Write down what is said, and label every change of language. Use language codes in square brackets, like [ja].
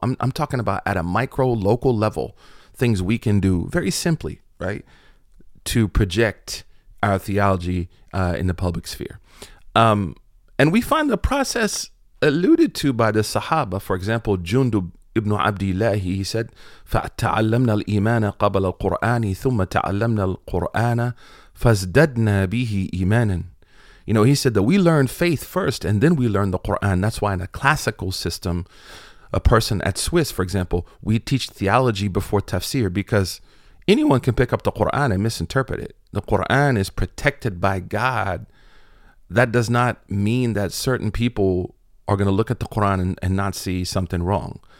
[en] I'm talking about at a micro local level, things we can do very simply, right, to project our theology in the public sphere. And we find the process alluded to by the Sahaba, for example, Jundub [ar] ابن عبد الله, [en] he said, [ar] فتعلمنا الإيمان قبل القرآن ثم تعلمنا القرآن فازددنا به إيمانا. [en] You know, he said that we learn faith first and then we learn the Quran. That's why in a classical system, a person at Swiss, for example, we teach theology before tafsir, because anyone can pick up the Quran and misinterpret it. The Quran is protected by God. That does not mean that certain people are going to look at the Quran and not see something wrong.